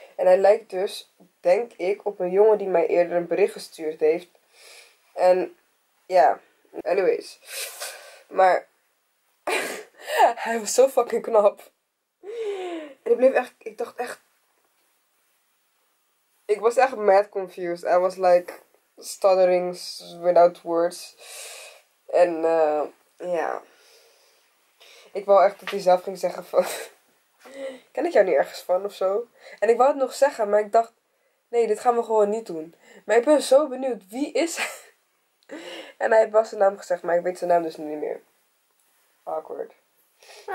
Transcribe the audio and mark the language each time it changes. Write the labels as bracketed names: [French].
[Dutch] En hij lijkt dus, denk ik, op een jongen die mij eerder een bericht gestuurd heeft. En, ja, anyways. Maar, hij was zo fucking knap. En ik bleef echt, ik dacht echt, ik was echt [English] mad confused. I was like, stuttering without words. [Dutch] En, ja. Ik wou echt dat hij zelf ging zeggen van, ken ik jou niet ergens van of zo? En ik wou het nog zeggen, maar ik dacht, nee, dit gaan we gewoon niet doen. Maar ik ben zo benieuwd, wie is hij? En hij heeft wel zijn naam gezegd, maar ik weet zijn naam dus niet meer. Awkward. Ja.